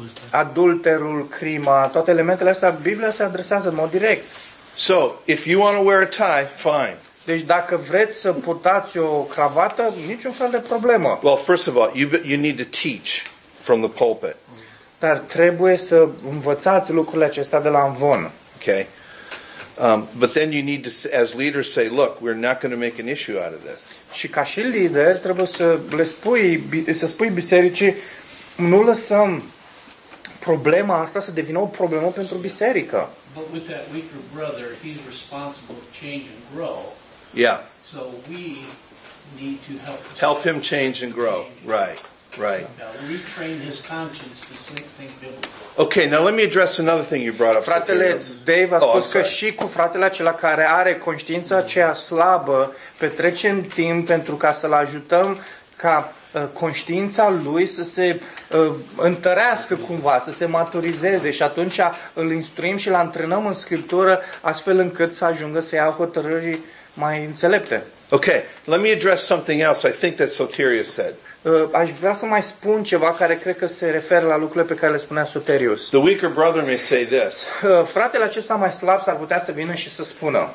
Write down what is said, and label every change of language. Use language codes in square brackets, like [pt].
[ro] Adulterul, crima, toate elementele astea, Biblia se adresează în mod direct. [en] So, if you want to wear a tie, fine. [ro] Deci dacă vreți să purtați o cravată, niciun fel de problemă. [en] Well, first of all, you need to teach from the pulpit. [ro] Dar trebuie să învățați lucrurile acestea de la amvon. [en] Okay. But then you need to, as leaders, say, look, we're not going to make an issue out of this. [ro] Și ca și lider, trebuie să le spui, să spui bisericii, nu lăsăm problema asta să devină o problemă pentru biserică. [en] But with that weaker brother, he's responsible to change and grow. Yeah. So we need to help. Help him change and grow. Change. Right. Right. Now, retrain his conscience to think biblical. Okay, now let me address another thing you brought up. [ro] Fratele Dave a spus că și cu fratele acela care are conștiința aceea slabă, petrecem timp pentru ca să-l ajutăm ca conștiința lui să se întărească cumva, să se maturizeze și atunci îl instruim și îl antrenăm în Scriptură astfel încât să ajungă să ia hotărâri mai înțelepte. [en] Okay, let me address something else I think that Soterius said. [ro] Aș vrea să mai spun ceva care cred că se referă la lucrurile pe care le spunea Soterius. [en] The weaker brother may say this. [ro] Fratele acesta mai slab s-ar putea să vină și să spună.